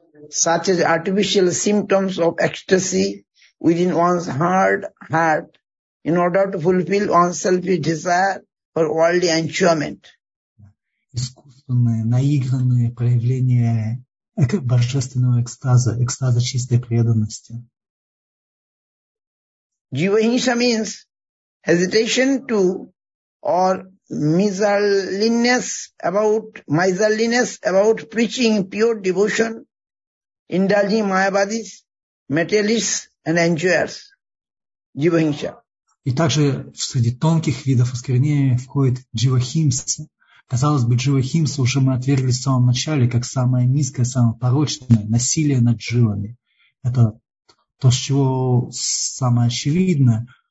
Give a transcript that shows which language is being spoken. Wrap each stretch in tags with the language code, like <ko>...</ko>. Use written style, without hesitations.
<en>Such as artificial symptoms of ecstasy within one's heart in order to fulfill one's selfish desire for worldly enjoyment.</en> <ru>Искусственные, наигранные проявления божественного экстаза, экстаза чистой преданности.</ru> <en>Jivahinsa means hesitation to or miserliness about preaching pure devotion, indulging mayavadis, materialists and enjoyers. Jivahinsa.</en> <ru>И также в среди тонких видов осквернения входит Jivahinsa. Казалось бы, Jivahinsa уже мы отвергли в самом начале, как самое низкое, самое порочное – насилие над дживами. Это то, с чего самое очевидное,</ru>